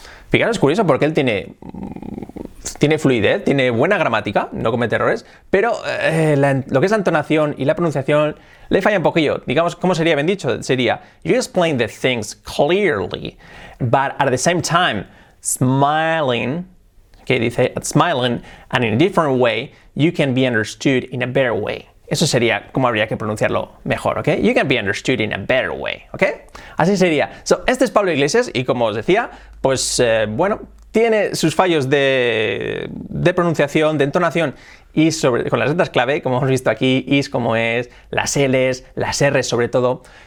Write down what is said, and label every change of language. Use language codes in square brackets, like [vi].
[es] Fijaros, es curioso porque él tiene fluidez, tiene buena gramática, no comete errores, pero lo que es la entonación y la pronunciación le falla un poquillo. Digamos, ¿cómo sería bien dicho? [en] Sería, you explain the things clearly, but at the same time, smiling, [es] que dice, [en] smiling, and in a different way, you can be understood in a better way. [es] Eso sería como habría que pronunciarlo mejor, ¿ok? [en] You can be understood in a better way, [es] ¿ok? Así sería. So, este es Pablo Iglesias y como os decía, pues bueno, tiene sus fallos de pronunciación, de entonación, y sobre, con las letras clave, como hemos visto aquí, is como es, las L's, las R's sobre todo.